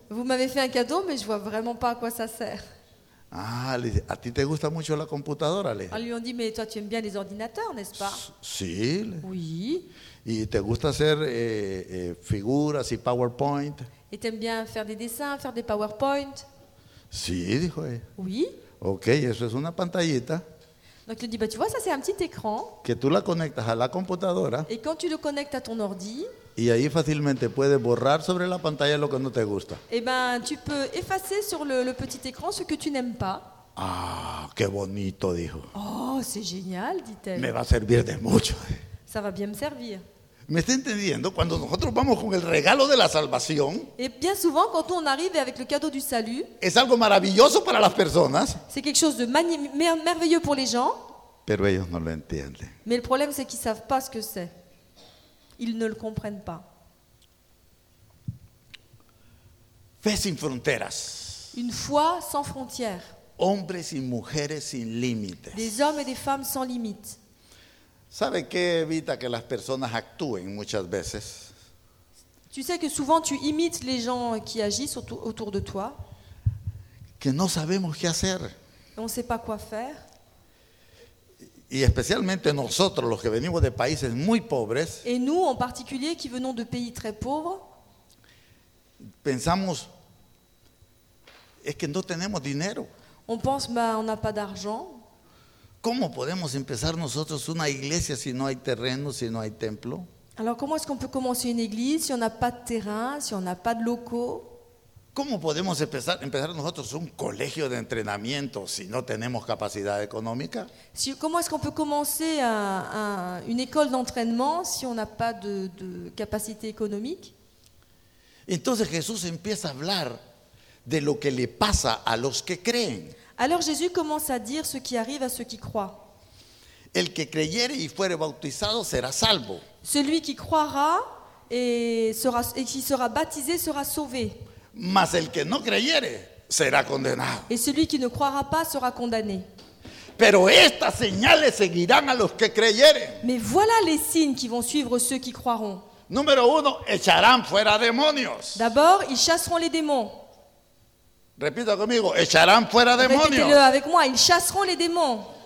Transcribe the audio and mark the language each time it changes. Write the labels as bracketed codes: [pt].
[fr] Vous m'avez fait un cadeau, mais je vois vraiment pas à quoi ça sert. [es] Ah, le dije, a ti te gusta mucho la computadora, le dije. [fr] Alors, lui ont dit, mais toi, tu aimes bien les ordinateurs, n'est-ce pas? [es] Sí. [fr] Oui. [es] Y te gusta hacer figuras y PowerPoint. [fr] Et t'aimes bien faire des dessins, faire des PowerPoint. [es] Sí, dijo ella. [fr] Oui. [es] Ok, eso es una pantallita. [fr] Donc, il lui dit, bah, tu vois, ça, c'est un petit écran. [es] Que tú la conectas a la computadora. [fr] Et quand tu le connectes à ton ordi. [es] Y ahí fácilmente puedes borrar sobre la pantalla lo que no te gusta. [fr] Eh ben, tu peux effacer sur le petit écran ce que tu n'aimes pas. [es] Ah, qué bonito, dijo. [fr] Oh, c'est génial, dit-elle. [es] Me va a servir de mucho. [fr] Ça va bien me servir. [es] ¿Me está entendiendo? Cuando nosotros vamos con el regalo de la salvación. [fr] Et bien souvent, quand on arrive avec le cadeau du salut. [es] Es algo maravilloso para las personas. [fr] C'est quelque chose de merveilleux pour les gens. [es] Pero ellos no lo entienden. [fr] Mais le problème, c'est qu'ils savent pas ce que c'est. Ils ne le comprennent pas. [es] Fe sin fronteras. [fr] Une foi sans frontières. [es] Hombres y mujeres sin límites. [fr] Des hommes et des femmes sans limites. [es] ¿Sabe qué evita que las personas actúen muchas veces? [fr] Tu sais que souvent tu imites les gens qui agissent autour de toi. [es] Que no sabemos qué hacer. [fr] On ne sait pas quoi faire. [es] Y especialmente nosotros, los que venimos de países muy pobres. [fr] Et nous, en particulier, qui venons de pays très pauvres. [es] Pensamos, es que no tenemos dinero. [fr] On pense, bah, on n'a pas d'argent. [es] ¿Cómo podemos empezar nosotros una iglesia si no hay terreno, si no hay templo? [fr] Alors, comment est-ce qu'on peut commencer une église si on n'a pas de terrain, si on n'a pas de locaux? [es] ¿Cómo podemos empezar nosotros un colegio de entrenamiento si no tenemos capacidad económica? ¿Cómo es que podemos comenzar una escuela de entrenamiento si no tenemos capacidad económica? Entonces Jesús empieza a hablar de lo que le pasa a los que creen. [fr] Alors Jésus commence a dire ce qui arrive a ceux qui croient. [es] El que creyere y fuere bautizado será salvo. [fr] Celui qui croira et qui sera baptisé sera sauvé. [es] Mas el que no creyere será condenado. [fr] Et celui qui ne croira pas sera condamné. [es] Pero estas señales seguirán a los que creyere. [fr] Mais voilà les signes qui vont suivre ceux qui croiront. [es] Número uno, echarán fuera demonios. [fr] D'abord, ils chasseront les démons. [es] Repita conmigo, echarán fuera demonios. [fr] Répétez-le avec moi, ils chasseront les démons.